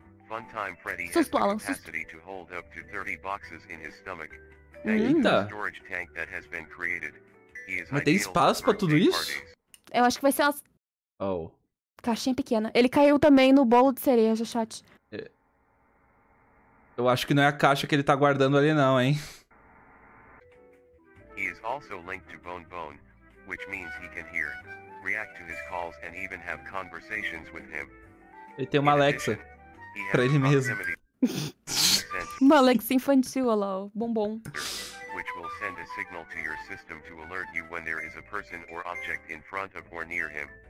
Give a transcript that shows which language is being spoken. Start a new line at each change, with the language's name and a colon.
English: Funtime Freddy has the capacity to hold up to 30 boxes in his stomach. Eita. A storage tank that has been created. He is
Portuguese: Mas tem espaço pra tudo isso? Eu acho que vai ser uma... Oh. Caixinha pequena. Ele caiu também no bolo de cereja, chat. Eu acho que não é a caixa que ele tá guardando ali não, hein?
English: He is also linked to Bone Bone, which means he can hear, react to his calls and even have conversations with him.
Portuguese: Ele tem uma Alexa. Pra ele mesmo. Uma Alexa infantil, olha lá, bombom.
English: Which will send a signal to your system to alert you when there is a person or object in front of or near him.